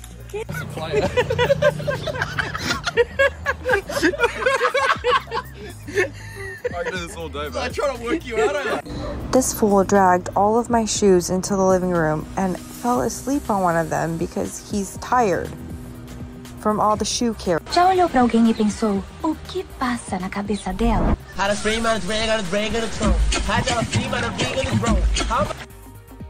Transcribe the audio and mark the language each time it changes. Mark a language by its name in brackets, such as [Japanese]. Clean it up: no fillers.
[English] I try to work you out. This fool dragged all of my shoes into the living room and fell asleep on one of them because he's tired from all the shoe care. [Portuguese] Já olhou pra alguém e pensou, o que passa na cabeça dela? [English] Had a dream and a dream and a dream and a dream. Had a dream and a dream and a dream.